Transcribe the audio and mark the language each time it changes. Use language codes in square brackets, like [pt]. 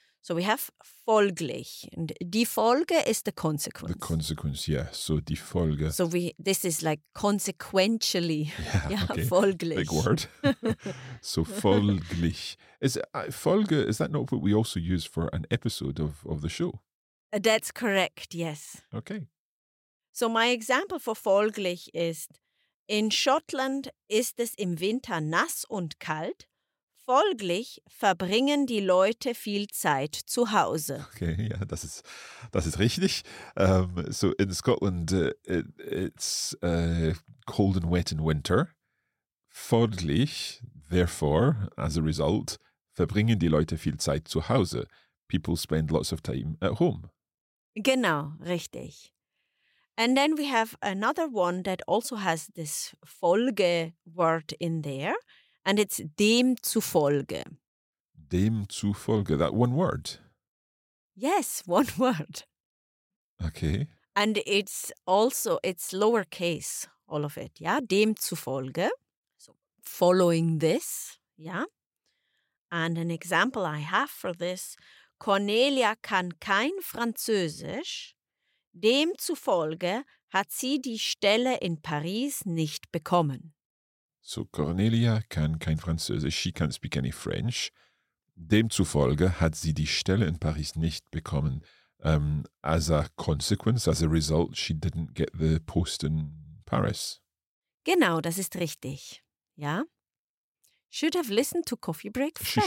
[en] So we have folglich, and die Folge is the consequence. The consequence, yeah. So die Folge. So this is like consequentially, yeah okay. [de] Folglich. [en] Big word. So folglich. Folge, is that not what we also use for an episode of the show? That's correct, yes. Okay. So my example for folglich is, [de] in Schottland ist es im Winter nass und kalt, folglich verbringen die Leute viel Zeit zu Hause. Okay, yeah, das ist richtig. [en] So in Scotland, it's cold and wet in winter. [de] Folglich, [en] therefore, as a result, [de] verbringen die Leute viel Zeit zu Hause. [en] People spend lots of time at home. [de] Genau, richtig. [en] And then we have another one that also has this Folge word in there. And it's demzufolge. Demzufolge, that one word? Yes, one word. Okay. And it's also, it's lowercase, all of it, yeah? Demzufolge, so following this, yeah? And an example I have for this, [de] Cornelia kann kein Französisch, demzufolge hat sie die Stelle in Paris nicht bekommen. [en] So [de] Cornelia kann kein Französisch, [en] she can't speak any French. [de] Demzufolge hat sie die Stelle in Paris nicht bekommen. [en] As a consequence, as a result, she didn't get the post in Paris. [de] Genau, das ist richtig. Ja? [en] Should have listened to Coffee Break French.